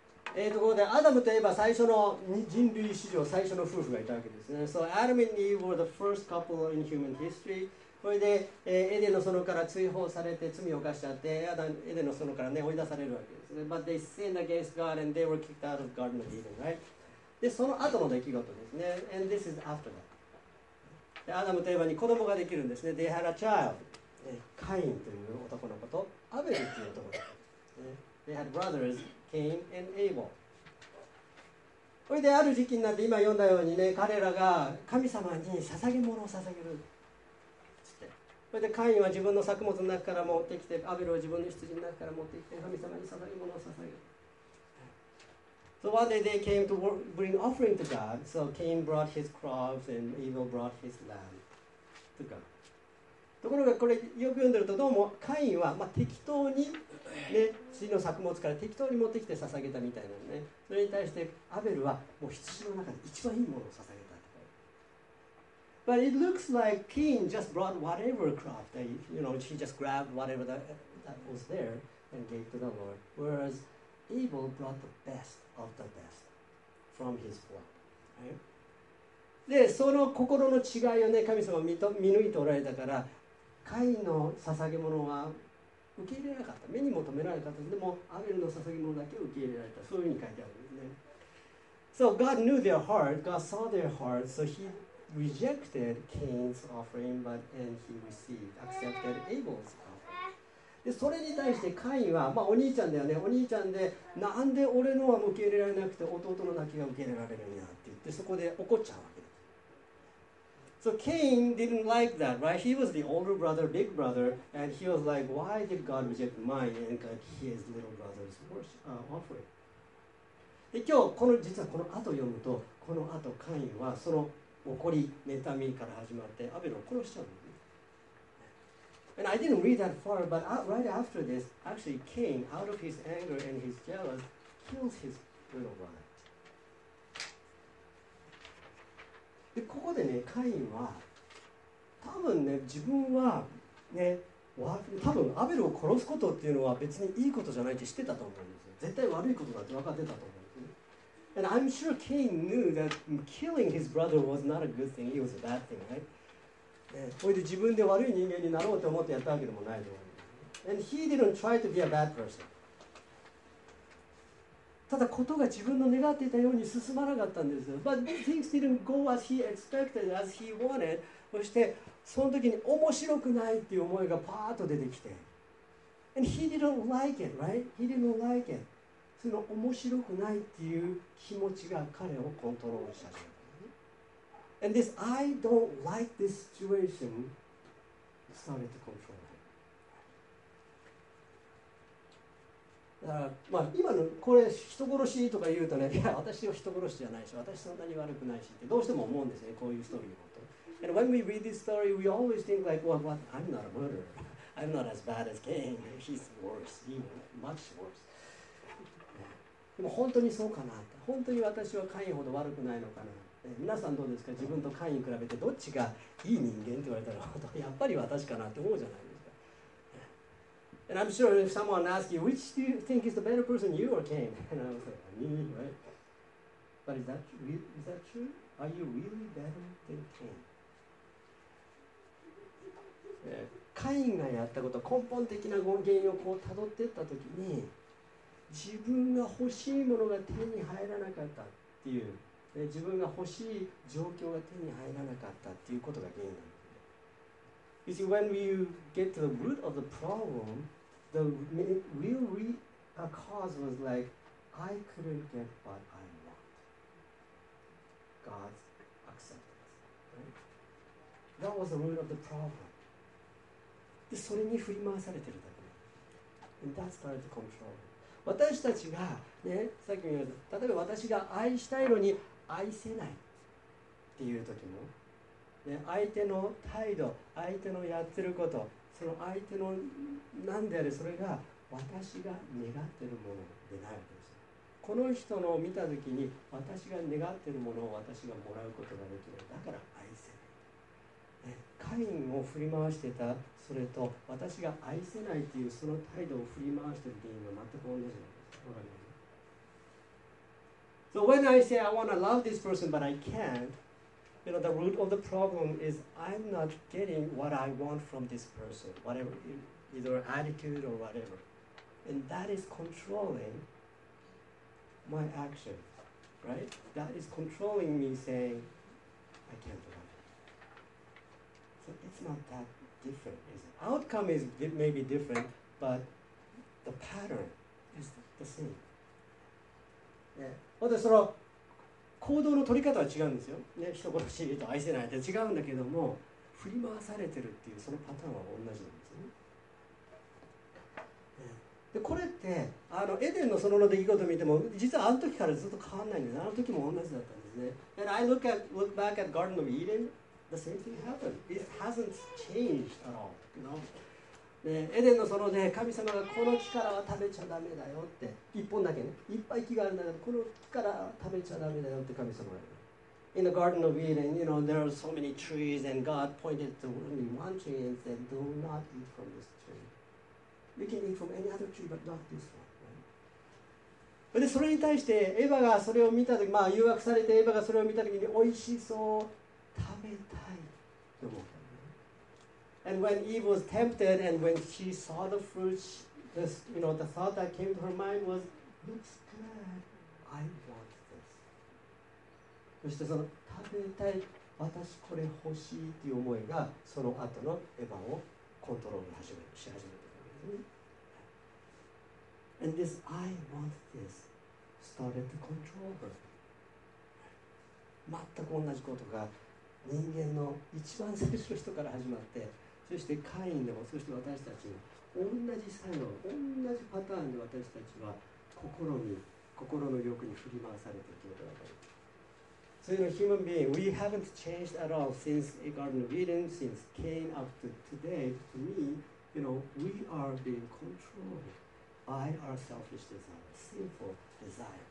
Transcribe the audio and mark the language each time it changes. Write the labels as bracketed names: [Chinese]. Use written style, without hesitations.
[Japanese] ところでアダムといえば最初の人類史上最初の夫婦がいたわけですね。 [English] So Adam and Eve were the first couple in human history. [Japanese] それで、エデンの園から追放されて罪を犯しちゃって、エデンの園から、ね、追い出されるわけです。 [English] But they sinned against God and they were kicked out of Garden of Eden, right? [Japanese] で、その後の出来事ですね。 [English] And this is after that. [Japanese] で、アダムとエヴァに子供ができるんですね。 [English] They had a child. [Japanese] カインという男の子と、アベルという男の子。 [English] They had brothers, Cain and Abel. [Japanese] それで、ある時期になって今読んだようにね、彼らが神様に捧げ物を捧げる。それでカインは自分の作物の中から持ってきて、アベルは自分の羊の中から持ってきて、神様に捧げ物を捧げる。 [English] So one day they came to bring offering to God. So Cain brought his crops and Abel brought his lamb to God. [Japanese] ところがこれよく読んでるとどうもカインはまあ適当に、ね、羊の作物から適当に持ってきて捧げたみたいなのね。それに対してアベルはもう羊の中で一番いいものを捧げた。 [English] But it looks like Cain just brought whatever crop that he, you know, he just grabbed whatever that was there and gave to the Lord. Whereas Abel brought the best of the best from his flock. [Japanese] で、その心の違いをね、神様は見抜いておられたから、カインの捧げ物は受け入れなかった。目に求められた。でも、アベルの捧げ物だけ受け入れられた。そういうふうに書いてあるんですね。 [English] So God knew their heart. God saw their heart. So heRejected Cain's offering, but and he received, accepted Abel's offering. [Japanese] で、それに対してカインは、まあお兄ちゃんだよね。お兄ちゃんで、なんで俺のは受け入れられなくて弟の泣きが受け入れられるんやって言って、そこで怒っちゃうわけです。 [English] So Cain didn't like that, right? He was the older brother, big brother, and he was like, why did God reject mine and got his little brother's offering? [Japanese] で、今日この実はこの後読むと、この後カインはその怒り、妬みから始まってアベルを殺しちゃうの、ね。 [English] And I didn't read that far, but right after this, actually Cain, out of his anger and his jealousy, kills his little brother. [Japanese] で、ここでね、カインは多分ね、自分はね、多分アベルを殺すことっていうのは別にいいことじゃないって知ってたと思うんですよ。絶対悪いことだって分かってたと思う。 [English] And I'm sure Cain knew that killing his brother was not a good thing. It was a bad thing, right? [Japanese] それで自分で悪い人間になろうと思ってやったわけでもないと思う。 [English] And he didn't try to be a bad person. [Japanese] ただことが自分の願っていたように進まなかったんですよ。 [English] But things didn't go as he expected, as he wanted. [Japanese] そしてその時に面白くないっていう思いがパーッと出てきて。 [English] And he didn't like it, right? He didn't like it. [Japanese] その面白くないっていう気持ちが彼をコントロールした。 [English] And this I don't like this situation started to control him. [Japanese] だからまあ今のこれ人殺しとか言うとね、いや私は人殺しじゃないし、私そんなに悪くないしってどうしても思うんですね、こういうストーリーのこと。 [English] And when we read this story, we always think like, well, what? I'm not a murderer. I'm not as bad as Cain. He's worse, even much worse. [Japanese] でも本当にそうかな。本当に私はカインほど悪くないのかな。皆さんどうですか。自分とカイン比べてどっちがいい人間って言われたら、やっぱり私かなって思うじゃないですか。 [English] And I'm sure if someone asks you, which do you think is the better person, you or Cain? And I'm like, me, right? But is that true? Are you really better than Cain? [Japanese] カインがやったこと、根本的な原因をこう辿っていったときに、自分が欲しいものが手に入らなかったっていう、自分が欲しい状況が手に入らなかったっていうことが原因なんです。 [English] You see, when you get to the root of the problem, the real cause was like, I couldn't get what I want. God's acceptance.、Right? That was the root of the problem. [Japanese] で、それに振り回されてるだけ。 [English] And that started to control. [Japanese] 私たちが、ね、さっきも言った、例えば私が愛したいのに愛せないっていう時も、ね、相手の態度、相手のやってること、その相手の何であれ、それが私が願ってるものでないわけです。この人のを見た時に、私が願ってるものを私がもらうことができない。だから愛せない。カインを振り回してたそれと私が愛せないっていうその態度を振り回してる原因は全く同じなんです。わかります。 [English] So when I say I want to love this person but I can't, you know, the root of the problem is I'm not getting what I want from this person, whatever, either attitude or whatever, and that is controlling my action, right? That is controlling me saying I can't love. It's not that different, is it? Outcome is maybe different, but the pattern is the same. Yeah. [Japanese] その行動の取り方は違うんですよ。ね、人殺しと愛せないって違うんだけども、振り回されてるっていうそのパターンは同じなんですよね。でこれってエデンの園の出来事を見ても実はあの時からずっと変わんないんです。あの時も同じだったんですね。 [English] And I look back at Garden of Eden. The same thing happened. It hasn't changed at all. No. [Japanese] ね、エデンの園で神様がこの木からは食べちゃダメだよって一本だけね、いっぱい木があるんだけどこの木から食べちゃダメだよって神様が言う。 [English] In the Garden of Eden, you know, there are so many trees and God pointed to only one tree and said, do not eat from this tree. You can eat from any other tree, but not this one. [Japanese] でそれに対してエヴァがそれを見たとき、まあ誘惑されてエヴァがそれを見たときに美味しそう。食べたいと思った。 [English] And when Eve was tempted and when she saw the fruit, this, you know, the thought that came to her mind was, looks good, I want this. [Japanese] そしてその食べたい、私これ欲しいっていう思いがその後のエヴァをコントロールし始めたわけです。 [English] And this, I want this, started to control her. [Japanese] 全く同じことが人間の一番最初の人から始まって、そしてカインでも、そして私たちも、同じ作用、同じパターンで私たちは心の欲に振り回されているということだと思います。 [English] So, you know, human being, we haven't changed at all since the Garden of Eden, since Cain up to today. To me, you know, we are being controlled by our selfish desire, sinful desire.